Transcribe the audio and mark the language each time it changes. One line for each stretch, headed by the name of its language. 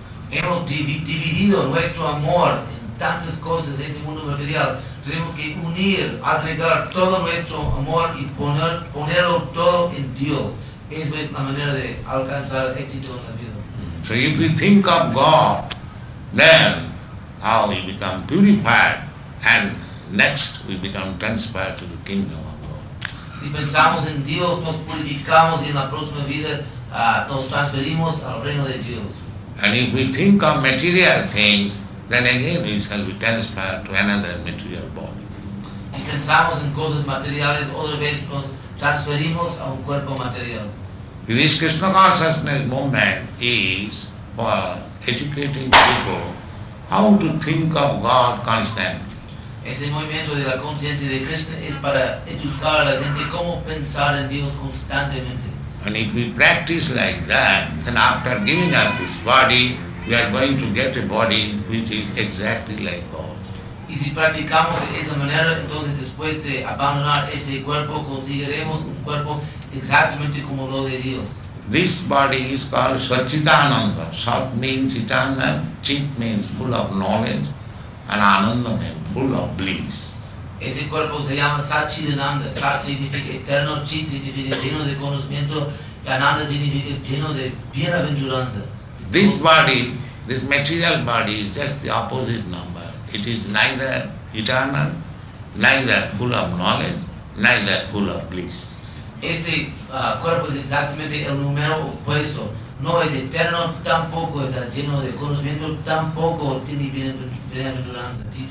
Spanish: Hemos dividido nuestro amor en tantas cosas en este mundo material. Tenemos que unir, agregar todo nuestro amor y ponerlo todo en Dios. Esa es la manera de alcanzar éxito en la vida.
English: So if we think of God, then how we become purified and next we become transferred to the kingdom.
Spanish: Si pensamos en Dios, nos purificamos y en la próxima vida nos transferimos al reino de Dios.
English: And if we think of material things, then again we shall be transferred to another material body.
Spanish: Si pensamos en cosas materiales, otra vez nos transferimos a un cuerpo material.
English: This Krishna consciousness movement is for educating people how to think of God constantly.
Spanish: Ese movimiento de la conciencia de Krishna es para educar a la gente cómo pensar en Dios constantemente.
English: And if we practice like that, then after giving up this body, we are going to get a body which is exactly like God.
Spanish: Y si practicamos de esa manera, entonces después de abandonar este cuerpo, conseguiremos un cuerpo exactamente como lo de Dios.
English: This body is called Svachitananda. Sat means eternal, chit means full of knowledge, and ananda means full of bliss.
Spanish: Ese cuerpo se llama Satchidananda. Sat significa eterno, chit significa lleno de conocimiento, y ananda significa lleno de bienaventuranza.
English: This body, this material body, is just the opposite number. It is neither eternal, neither full of knowledge, neither full of bliss.
Spanish: Este cuerpo es exactamente el número opuesto. No es eterno, tampoco está lleno de conocimiento, tampoco tiene bienaventuranza.